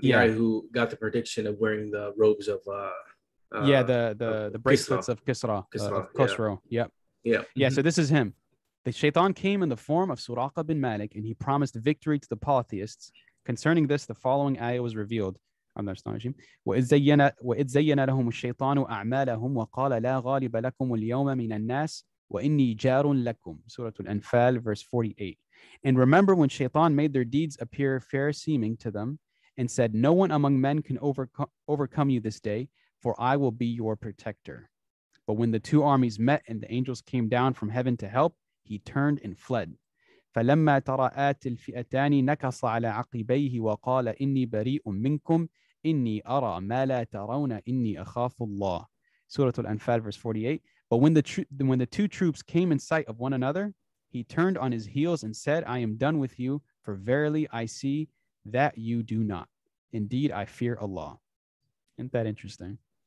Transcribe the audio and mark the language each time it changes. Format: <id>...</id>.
<en>The guy who got the prediction of wearing the robes of the bracelets Kisra. Of Kisra. Of Khosrow. Yeah. Yep. Yeah. Yeah, so this is him. The shaitan came in the form of Suraqa bin Malik, and he promised victory to the polytheists. Concerning this, the following ayah was revealed. I'm not astonishing.</en> <ar>وَإِذْ زَيَّنَ لَهُمُ الشَّيْطَانُ أَعْمَالَهُمْ وَقَالَ لَا غَالِبَ لَكُمُ الْيَوْمَ مِنَ النَّاسِ وَإِنِّي جَارٌ لَكُمْ</ar> <en>Surah Al-Anfal, verse 48. And remember when Shaitan made their deeds appear fair-seeming to them and said, no one among men can overcome you this day, for I will be your protector. But when the two armies met and the angels came down from heaven to help, he turned and fled.</en> <ar>فلما ترأت الفئتان نكص على عقبيه وقال إني بريء منكم إني أرى ما لا ترون إني أخاف الله.</ar> <en>Surah Al-Anfal, verse 48. But when the two troops came in sight of one another, he turned on his heels and said, I am done with you, for verily I see that you do not. Indeed, I fear Allah. Isn't that interesting?</en>